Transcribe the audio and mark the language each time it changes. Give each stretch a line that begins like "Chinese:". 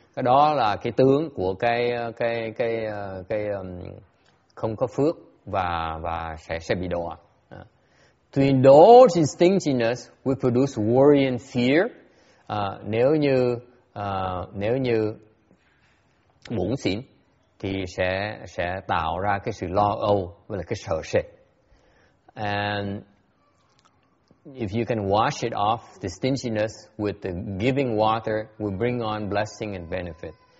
Vietnamese: Cái đó là cái tướng của cái không có phước và sẽ bị đọa.
English: To indulge in stinginess, we produce worry and fear.
Vietnamese: Nếu như muốn xỉn thì sẽ tạo ra cái sự lo âu và là cái sợ sệt.
English: And if you can wash it off, the stinginess with the giving water will bring on blessing and benefit.